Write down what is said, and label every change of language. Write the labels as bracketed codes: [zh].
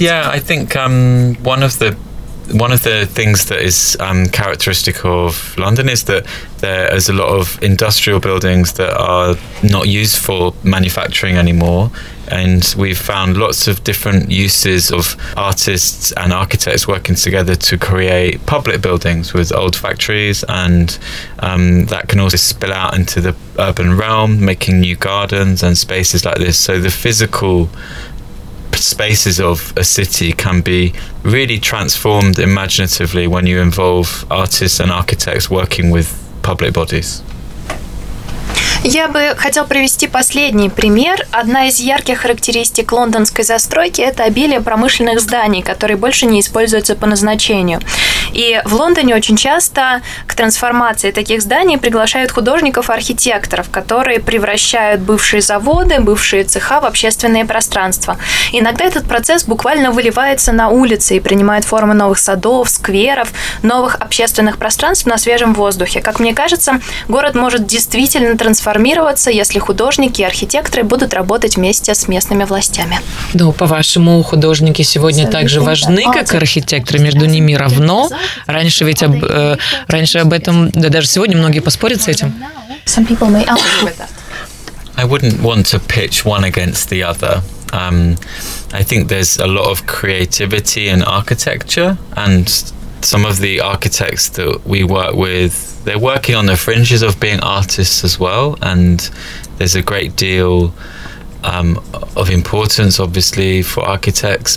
[en] Yeah, I think one of the things that is characteristic of London is that there is a lot of industrial buildings that are not used for manufacturing anymore, and we've found lots of different uses of artists and architects working together to create public buildings with old factories, and that can also spill out into the urban realm, making new gardens and spaces like this. So the physical spaces of a city can be really transformed imaginatively when you involve artists and architects working with public bodies. [ru] Я бы хотел привести последний пример. Одна из ярких характеристик лондонской застройки – это обилие промышленных зданий, которые больше не используются по назначению. И в Лондоне очень часто к трансформации таких зданий приглашают художников-архитекторов, которые превращают бывшие заводы, бывшие цеха в общественные пространства. Иногда этот процесс буквально выливается на улицы и принимает формы новых садов, скверов, новых общественных пространств на свежем воздухе. Как мне кажется, город может действительно трансформироваться, если художники и архитекторы будут работать вместе с местными властями. Ну, по-вашему, художники сегодня так же важны, как архитекторы, между ними равно? Раньше ведь раньше об этом, да даже сегодня многие поспорят с этим. [en] I wouldn't want to pitch one against the other. I think there's a lot of creativity in architecture, and some of the architects that we work with, they're working on the fringes of being artists as well, and there's a great deal of importance, obviously, for architects.